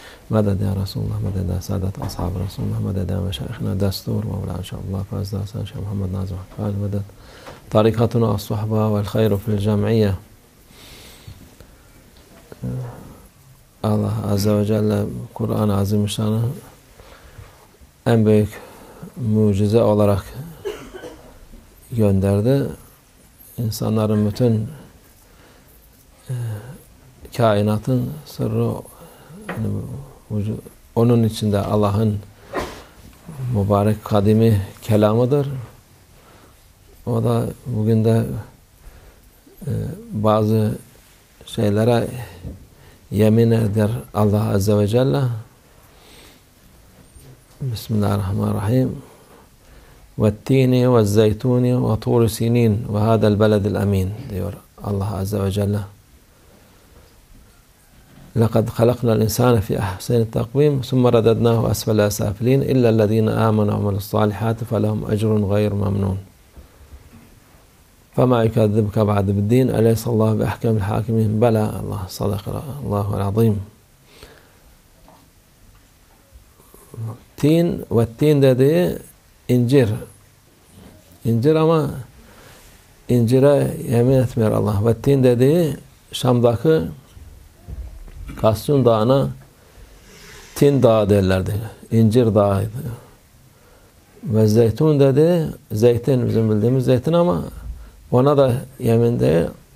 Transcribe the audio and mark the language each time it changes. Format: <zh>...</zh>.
<ar>مدد يا رسول الله، مدد يا سادة أصحاب رسول الله، مدد يا مشايخنا دستور وولاء إن شاء الله، فاز دستور شيخ محمد ناظم حفال، مدد طريقتنا الصحبة والخير في الجمعية. الله عز وجل قرآن عظيم شانه</ar> <tr>en büyük mucize olarak gönderdi. İnsanların bütün kainatın sırrı yani onun içinde Allah'ın mübarek kadimi kelamıdır. O da bugün de bazı şeylere yemin eder Allah Azze ve Celle. Bismillahirrahmanirrahim.</tr> <ar>والتين والزيتون وطور سينين وهذا البلد الأمين</ar> <tr>ديور</tr> <ar>الله عز وجل لقد خلقنا الإنسان في أحسن التقويم ثم رددناه أسفل سافلين إلا الذين آمنوا وعملوا الصالحات فلهم أجر غير ممنون فما يكذبك بعد بالدين أليس الله بأحكم الحاكمين بلى الله صدق الله العظيم تين والتين</ar> <tr>دي İncir. İncir ama incire yemin etmiyor Allah. Vettin dediği Şam'daki Kasyun Dağı'na Tin Dağı derlerdi. İncir Dağı'ydı. Ve Zeytun dedi, zeytin, bizim bildiğimiz zeytin ama ona da yemin değil.</tr>